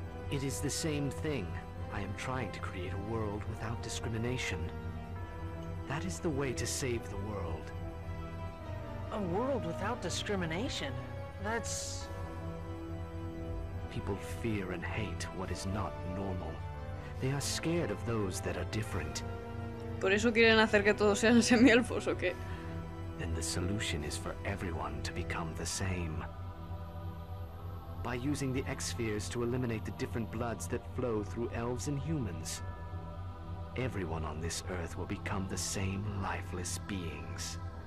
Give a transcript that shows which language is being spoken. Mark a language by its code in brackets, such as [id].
[en] It is the same thing. I am trying to create a world without discrimination. That is the way to save the world. A world without discrimination? That's... People fear and hate what is not normal. They are scared of those that are different. [es] ¿Por eso quieren hacer que todos sean semielfos o qué? [en] Then the solution is for everyone to become the same. By using the X-spheres to eliminate the different bloods that flow through elves and humans, everyone on this earth will become the same lifeless beings.